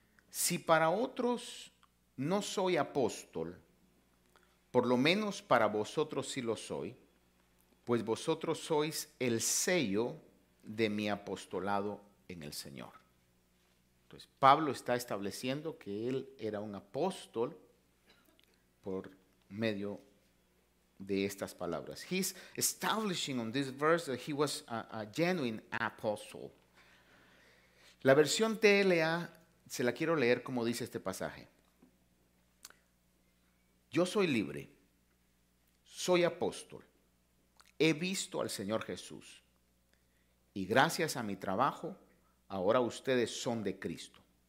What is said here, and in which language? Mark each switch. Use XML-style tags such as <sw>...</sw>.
<es>Si para otros no soy apóstol, por lo menos para vosotros sí lo soy, pues vosotros sois el sello de mi apostolado en el Señor. Entonces, Pablo está estableciendo que él era un apóstol por medio de estas palabras.</es> <en>He's establishing on this verse that he was a genuine apostle.</en> <es>La versión TLA, se la quiero leer como dice este pasaje. Yo soy libre, soy apóstol, he visto al Señor Jesús y gracias a mi trabajo, ahora ustedes son de Cristo.</es>